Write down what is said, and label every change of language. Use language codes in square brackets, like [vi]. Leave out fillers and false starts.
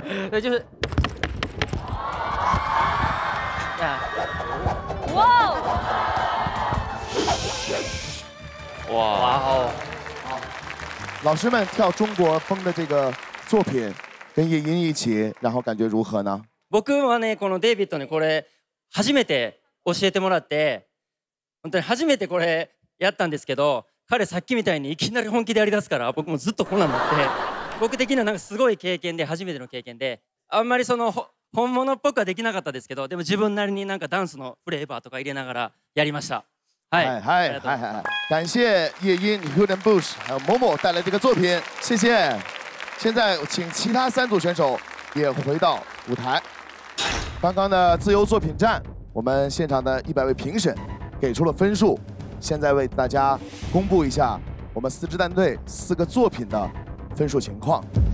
[zh] 对，就是呀。哇哇哦。好，老师们跳中国风的这个作品跟叶音一起，然后感觉如何呢？ [ja] 僕はね、このデイビッドにこれ初めて教えてもらって、本当に初めてこれやったんですけど、彼さっきみたいにいきなり本気でやりだすから、僕もずっとこんなんだって。僕的にはなんかすごい経験で、初めての経験で、あんまりその本物っぽくはできなかったですけど、でも自分なりになんかダンスのフレーバーとか入れながらやりました。はい、はい、はい、はい。 [zh] 感謝叶音、ヒューデン・ブッシュ、モモ带来这个作品、谢谢。现在请其他三组选手也回到舞台。刚刚的自由作品战，我们现场的100位评审给出了分数，现在为大家公布一下我们四支战队四个作品的分数情况。